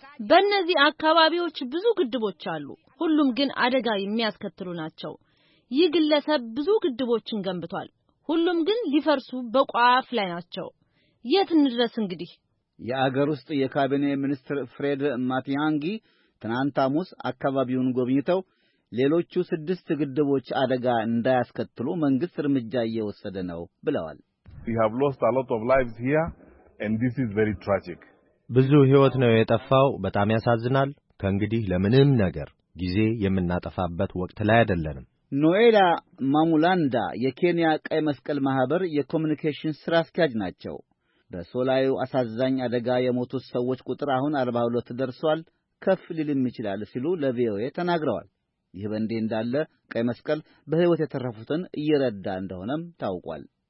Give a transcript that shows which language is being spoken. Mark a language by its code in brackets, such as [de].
[am] በእነዚህ አካባቢዎች ብዙ ግድቦች አሉ። ሁሉም ግን አደጋ የሚያስከትሉ ናቸው። ይህ ግለሰብ ብዙ ግድቦችን ገንብቷል። ሁሉም ግን ሊፈርሱ በቋፍ ላይ ናቸው። የት እንድረስ እንግዲህ? የአገር ውስጥ የካቢኔ ሚኒስትር ፍሬድ ማቲያንጊ ትናንት አሙስ አካባቢውን ጎብኝተው ሌሎቹ 6 ግድቦች አደጋ እንዳያስከትሉ መንግሥት እርምጃ እየወሰደ ነው ብለዋል። [en] We have lost a lot of lives here and this is very tragic. [am] ብዙ ሕይወት ነው የጠፋው። በጣም ያሳዝናል። ከእንግዲህ ለምንም ነገር ጊዜ የምናጠፋበት ወቅት ላይ አይደለንም። ኖኤላ ማሙላንዳ የኬንያ ቀይ መስቀል ማህበር የኮሙኒኬሽን ስራ አስኪያጅ ናቸው። በሶላዩ አሳዛኝ አደጋ የሞቱት ሰዎች ቁጥር አሁን 42 ደርሷል፣ ከፍ ሊልም ይችላል ሲሉ ለቪኦኤ ተናግረዋል። ይህ በእንዲህ እንዳለ ቀይ መስቀል በሕይወት የተረፉትን እየረዳ እንደሆነም ታውቋል።